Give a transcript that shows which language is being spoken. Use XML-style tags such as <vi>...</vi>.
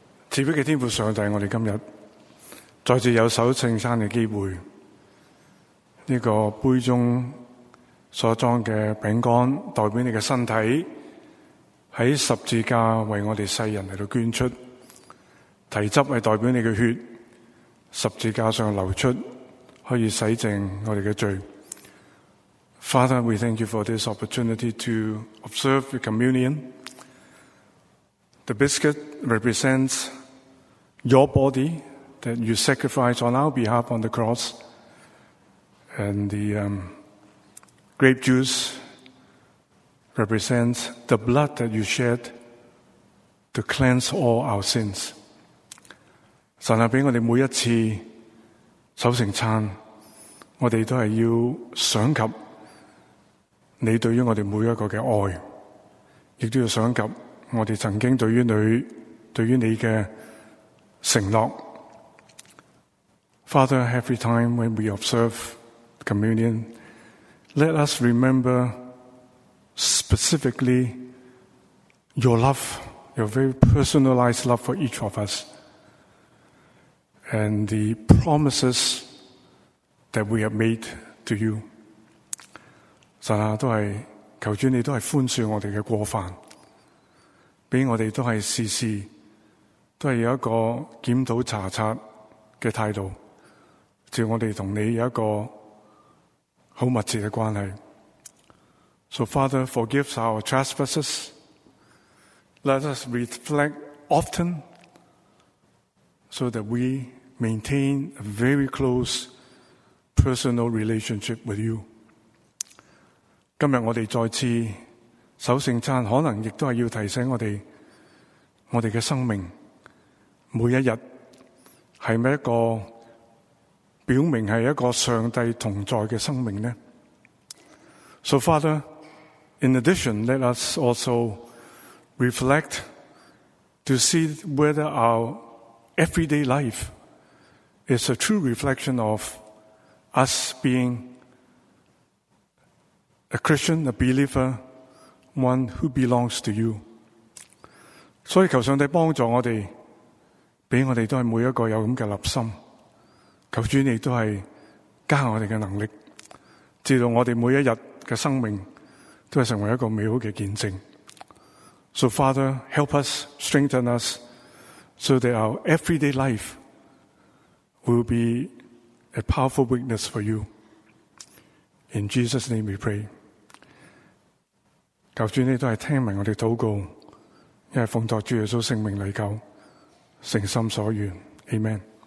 <zh>慈悲的天父上帝，我们今日再次有守圣餐的机会，这个杯中所装的饼干代表你的身体在十字架为我们世人来捐出，提汁是代表你的血十字架上流出，可以洗净我们的罪。</zh> <en>Father, we thank you for this opportunity to observe the communion. The biscuit represents your body that you sacrificed on our behalf on the cross, and the grape juice represents the blood that you shed to cleanse all our sins.</en> <zh>神啊，俾我哋每一次守圣餐，我们都是要想及你对于我们每一个的爱，亦都要想及我们曾经对于你，对于你的承诺。</zh> <en>Father, every time when we observe communion, let us remember specifically your love, your very personalized love for each of us, and the promises that we have made to you.</en> <zh>神啊，都是求主你都是宽恕我们的过犯，给我们都是事事都是有一个检讨查察的态度，叫我们同你有一个很密切的关系。</zh> <en>So Father, forgive our trespasses. Let us reflect often so that we maintain a very close personal relationship with you.</en> <zh>今天我们再次守圣餐，可能亦都是要提醒我们的生命每一日是不是一个表明是一个上帝同在的生命呢？</zh> <en>So Father,In addition, let us also reflect to see whether our everyday life is a true reflection of us being a Christian, a believer, one who belongs to you.</en> <zh>所以求上帝帮助我们，给我们都是每一个有这样的立心，求主你都是加我们的能力，直到我们每一日的生命都成为一个美好的见证。</zh> <en>So Father, help us, strengthen us, so that our everyday life will be a powerful witness for you. In Jesus' name we pray.</en> <zh>求主你都是听明我们的祷告，因为奉托主耶稣圣名来求，诚心所愿， Amen.</zh>